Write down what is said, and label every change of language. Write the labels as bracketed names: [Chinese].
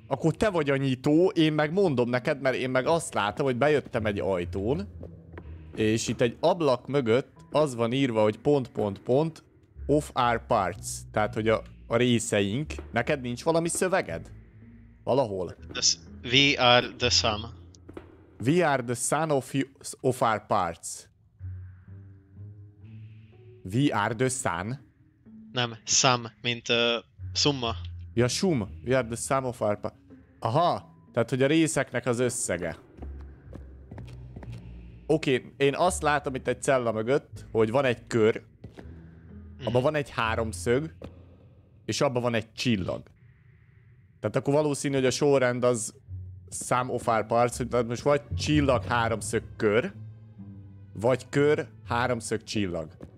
[Hungarian] Akkor te vagy a nyitó, én meg mondom neked, mert én meg azt látom, hogy bejöttem egy ajtón, és itt egy ablak mögött az van írva, hogy pont, [English] of our parts. [Hungarian] Tehát, hogy a részeink. Neked nincs valami szöveged? Valahol? [English] We are the sum. We are the sum of our parts. We are the sun? [Hungarian] Nem, sum, mint summa. Ja, sum. [English] We are the sum of our parts. [Hungarian] Aha, tehát hogy a részeknek az összege. Oké, én azt látom itt egy cella mögött, hogy van egy kör, abban van egy háromszög, és abban van egy csillag. Tehát akkor valószínű, hogy a sorrend az [English] sum of our parts, [Hungarian] tehát most vagy csillag, háromszög, kör, vagy kör, háromszög, csillag.